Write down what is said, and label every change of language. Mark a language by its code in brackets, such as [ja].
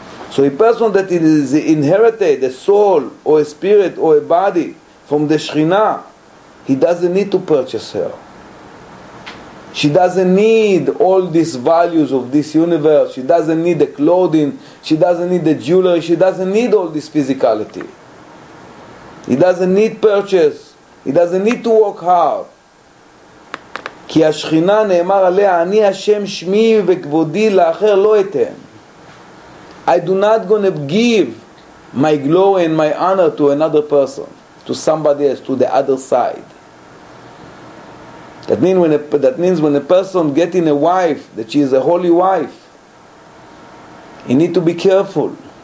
[en] So a person that is inherited a soul or a spirit or a body from the Shekhinah, he doesn't need to purchase her. She doesn't need all these values of this universe. She doesn't need the clothing. She doesn't need the jewelry. She doesn't need all this physicality. He doesn't need purchase. He doesn't need to work hard. [he] כי השכינה נאמר עליה, אני השם שמי וכבודי לאחר לא אתן. [en] I do not going to give my glory and my honor to another person, to somebody else, to the other side. That means when a person getting a wife, that she is a holy wife, you need to be careful.